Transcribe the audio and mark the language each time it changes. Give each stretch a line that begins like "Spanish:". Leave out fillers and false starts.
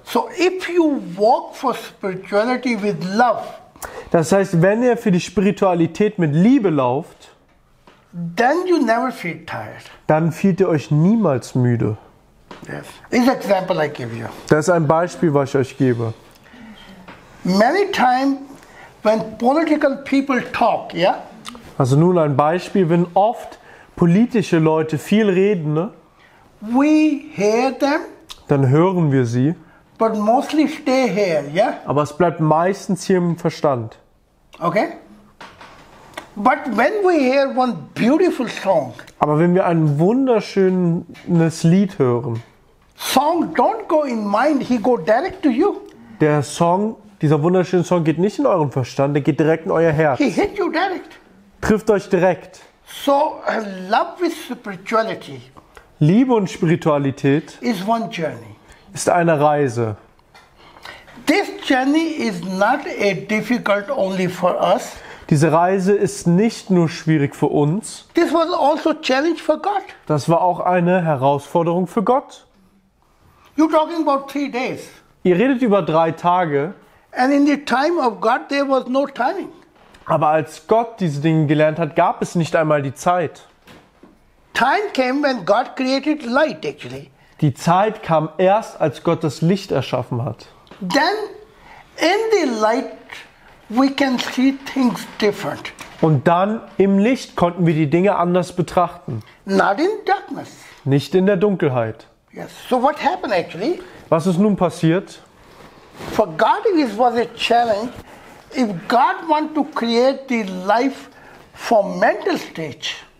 English: So if you walk for spirituality with love.
German: Das heißt, wenn ihr für die Spiritualität mit Liebe lauft,
English: then you never feel tired.
German: Dann fühlt ihr euch niemals müde.
English: Yes. This example I give you.
German: Das ist ein Beispiel, was ich euch gebe.
English: Many times when political people talk, yeah?
German: Also nun ein Beispiel, wenn oft politische Leute viel reden, ne?
English: We hear them.
German: Dann hören wir sie.
English: But mostly stay here, yeah?
German: Aber es bleibt meistens hier im Verstand.
English: Okay? But when we hear one beautiful song.
German: Aber wenn wir ein wunderschönes Lied hören.
English: Song don't go in mind, he go direct to you.
German: Dieser wunderschöne Song geht nicht in euren Verstand, der geht direkt in euer Herz.
English: He hit you direct.
German: Trifft euch direkt.
English: So, love with spirituality.
German: Liebe und Spiritualität
English: is one journey.
German: Ist eine Reise.
English: This journey is not a difficult only for us.
German: Diese Reise ist nicht nur schwierig für uns.
English: This was also challenge for God.
German: Das war auch eine Herausforderung für Gott.
English: You're talking about 3 days.
German: Ihr redet über 3 Tage.
English: And in the time of God, there was no timing.
German: Aber als Gott diese Dinge gelernt hat, gab es nicht einmal die Zeit.
English: Time came when God created light, actually.
German: Die Zeit kam erst, als Gott das Licht erschaffen hat.
English: Then, in the light, we can see things different.
German: Und dann im Licht konnten wir die Dinge anders betrachten.
English: Not in darkness.
German: Nicht in der Dunkelheit.
English: Yes. So what happened actually?
German: Was ist nun passiert?
English: For God, it was a challenge. If God want to create the life for mental stage.